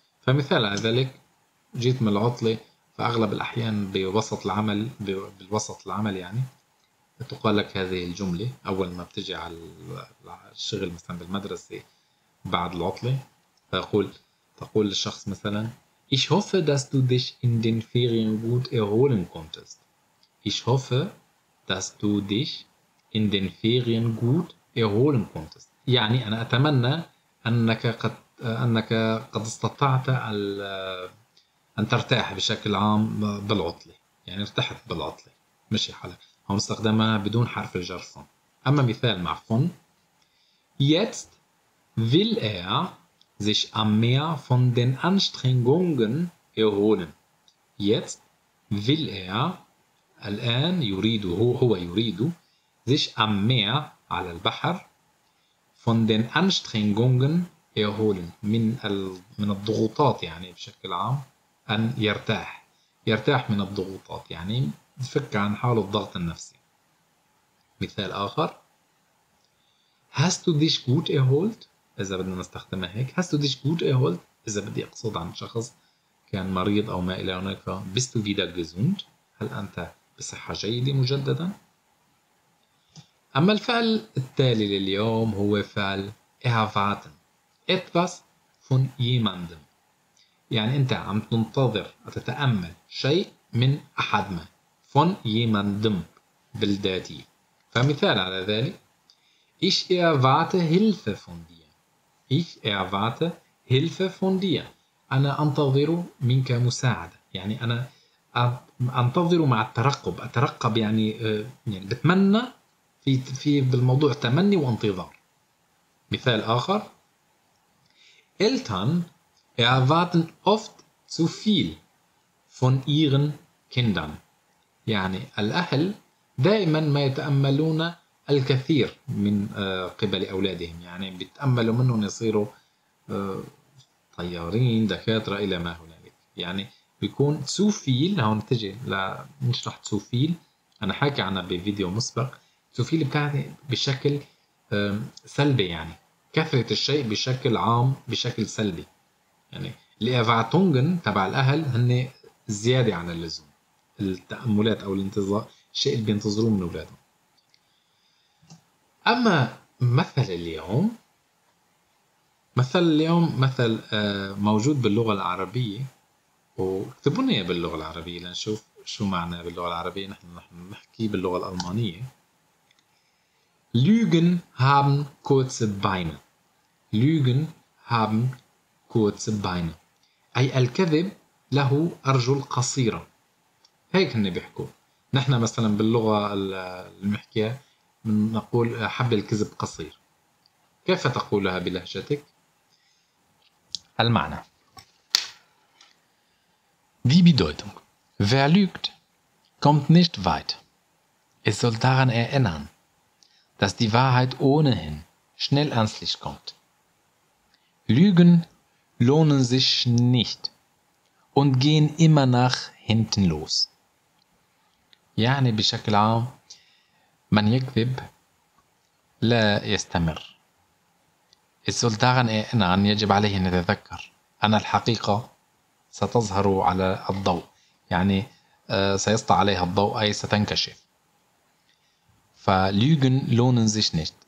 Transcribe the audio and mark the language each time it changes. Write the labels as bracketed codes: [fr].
[ar] فمثال على ذلك جيت من العطله فاغلب الاحيان بوسط العمل بالوسط العمل يعني تقال لك هذه الجمله اول ما بتجي على الشغل مثلا بالمدرسه بعد العطله تقول للشخص مثلا [de] Ich hoffe, dass du dich in den Ferien gut erholen konntest. Ich hoffe, dass du dich in den Ferien gut erholen konntest. [ar] يعني أنا أتمنى أنك قد استطعت أن ترتاح بشكل عام بالعطلة. يعني ارتحت بالعطلة. مشي حالك. هم استخدمها بدون حرف الجر فون. أما مثال مع فون. [de] Jetzt will er sich am Meer von den Anstrengungen erholen. Jetzt will er [ar] الآن يريد هو يريد [de] sich am Meer [ar] على البحر [de] von den Anstrengungen erholen [ar] من الضغوطات يعني بشكل عام أن يرتاح من الضغوطات يعني يفك عن حاله الضغط النفسي. مثال آخر [de] Hast du dich gut erholt? [ar] إذا بدنا نستخدمها هيك [de] Hast du dich gut erholt? [ar] إذا بدي أقصد عن شخص كان مريض أو ما إلى هناك [de] Bist du wieder gesund? [ar] هل أنت بصحة جيدة مجددا. أما الفعل التالي لليوم هو فعل erwarten. [de] Etwas von jemandem. [ar] يعني أنت عم تنتظر تتأمل شيء من أحد ما. [de] Von jemandem [ar] بالذاتية. فمثال على ذلك. [de] Ich erwarte Hilfe von dir. Ich erwarte Hilfe von dir. [ar] أنا أنتظر منك مساعدة. يعني أنا أنتظر مع الترقب أترقب يعني بتمنى في بالموضوع تمني وانتظار. مثال آخر [de] Eltern erwarten oft zu viel von ihren Kindern. [ar] يعني الأهل دائما ما يتأملون الكثير من قبل أولادهم يعني بيتأملوا منهم يصيروا طيارين دكاترة إلى ما هنالك. يعني بيكون too feel هون بتجي لنشرح too feel أنا حكي عنها بفيديو مسبق too feel بتاعتي بشكل سلبي يعني كثرة الشيء بشكل عام بشكل سلبي يعني اللي أفعتونجن تبع الأهل هن زيادة عن اللزوم التأملات أو الانتظار الشيء اللي بينتظروه من أولادهم. أما مثل اليوم مثل موجود باللغة العربية واكتبوا لنا اياه باللغة العربية لنشوف شو معناه باللغة العربية. نحن نحكي باللغة الألمانية. [de] Lügen haben kurze Beine. Lügen haben kurze Beine. [ar] أي الكذب له أرجل قصيرة. هيك هن بيحكوا. نحن مثلا باللغة المحكية نقول حبل الكذب قصير. كيف تقولها بلهجتك؟ المعنى. [de] Die Bedeutung. Wer lügt, kommt nicht weit. Es soll daran erinnern, dass die Wahrheit ohnehin schnell ans Licht kommt. Lügen lohnen sich nicht und gehen immer nach hinten los. [ar] يعني بشكل عام من يكذب لا يستمر. [de] Es soll daran erinnern, [ar] يجب عليه أن يتذكر أن الحقيقة ستظهر على الضوء. يعني سيسطع عليها الضوء أي ستنكشف. فليوجن لونن زيش نشت.